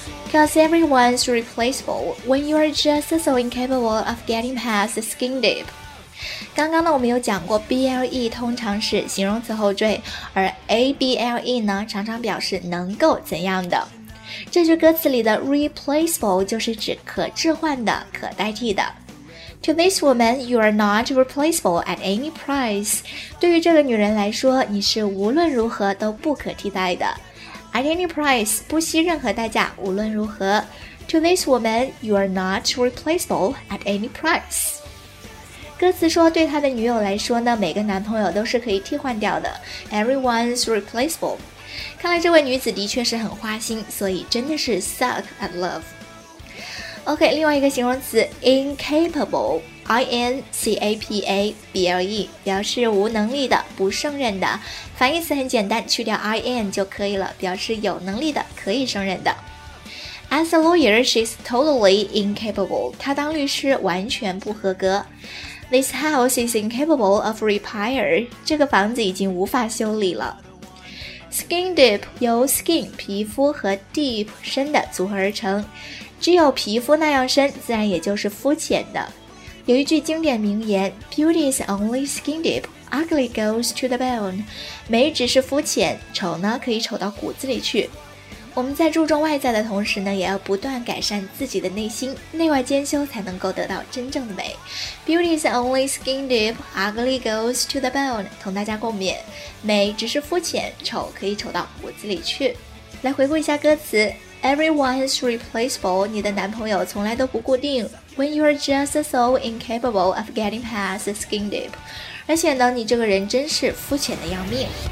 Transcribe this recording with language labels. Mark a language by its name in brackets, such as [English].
[English] Because everyone's replaceable when you are just so incapable of getting past skin deep. [Chinese] 刚刚呢我们有讲过 BLE 通常是形容词后缀，而 ABLE 呢常常表示能够怎样的。这句歌词里的 replaceable 就是指可置换的、可代替的。 [English] To this woman, you are not replaceable at any price. [Chinese] 对于这个女人来说，你是无论如何都不可替代的。 [English] At any price, [Chinese] 不惜任何代价，无论如何。 [English] To this woman, you are not replaceable at any price. [Chinese] 歌词说，对他的女友来说呢，每个男朋友都是可以替换掉的。 [English] Everyone's replaceable。 [Chinese] 看来这位女子的确是很花心，所以真的是 [English] suck at love。 [Chinese] OK， 另外一个形容词 incapable，I-N-C-A-P-A-B-L-E， 表示无能力的、不胜任的。反义词很简单，去掉 I-N 就可以了，表示有能力的、可以胜任的。 [English] As a lawyer, she's totally incapable。 [Chinese] 她当律师完全不合格。 [English] This house is incapable of repair. [Chinese] 这个房子已经无法修理了。Skin deep 由 skin 皮肤和 deep 深的组合而成，只有皮肤那样深，自然也就是肤浅的。有一句经典名言 [English] ：Beauty is only skin deep, ugly goes to the bone. [Chinese] 美只是肤浅，丑呢可以丑到骨子里去。我们在注重外在的同时呢，也要不断改善自己的内心，内外兼修才能够得到真正的美。 [English] Beauty is only skin deep, ugly goes to the bone， [Chinese] 同大家共勉，美只是肤浅，丑可以丑到骨子里去。来回顾一下歌词， [English] Everyone's replaceable， [Chinese] 你的男朋友从来都不固定。 [English] When you're just so incapable of getting past skin deep， [Chinese] 而且呢，你这个人真是肤浅的要命。